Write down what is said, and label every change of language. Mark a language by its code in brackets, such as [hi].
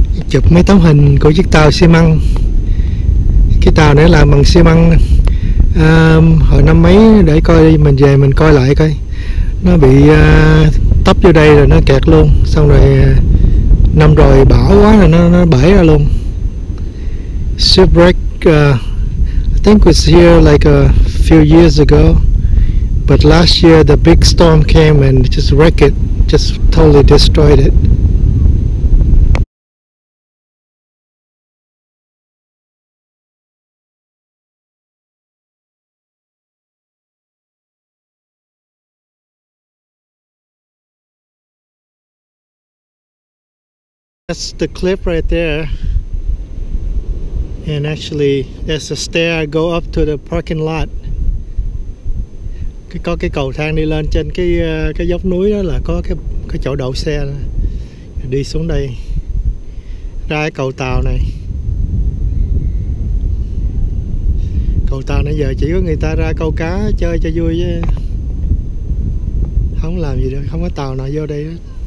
[vi] Chụp mấy tấm hình của chiếc tàu xi măng. Cái tàu này làm bằng xi măng à, hồi năm mấy, để coi đi, mình về mình coi lại coi. Nó bị tấp vô đây rồi nó kẹt luôn. Xong rồi năm rồi bão quá rồi nó bể ra luôn. [en] Shipwreck I think was here like a few years ago, but last year the big storm came and just wrecked it, just totally destroyed it. That's the cliff right there, and actually there's a stair go up to the parking lot. [vi] Có cái cầu thang đi lên trên cái dốc núi đó là có cái chỗ đậu xe đó. Đi xuống đây ra cái cầu tàu này. Cầu tàu nãy giờ chỉ có người ta ra câu cá chơi cho vui chứ không làm gì được, không có tàu nào vô đây hết.